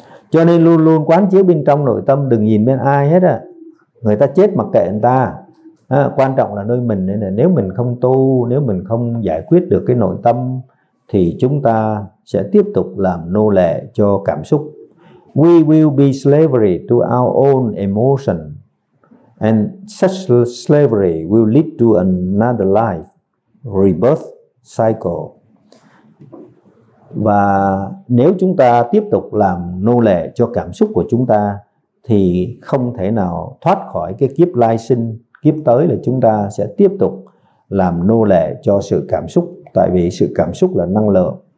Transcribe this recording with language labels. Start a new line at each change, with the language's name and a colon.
Vietnamese: Cho nên luôn luôn quán chiếu bên trong nội tâm, đừng nhìn bên ai hết. Người ta chết mặc kệ người ta, quan trọng là nơi mình. Nên là nếu mình không tu, nếu mình không giải quyết được cái nội tâm thì chúng ta sẽ tiếp tục làm nô lệ cho cảm xúc.
English: We will be slavery to our own emotion, and such slavery will lead to another life, rebirth cycle.
Vietnamese: Và nếu chúng ta tiếp tục làm nô lệ cho cảm xúc của chúng ta thì không thể nào thoát khỏi cái kiếp lai sinh. Kiếp tới là chúng ta sẽ tiếp tục làm nô lệ cho sự cảm xúc, tại vì sự cảm xúc là năng lượng.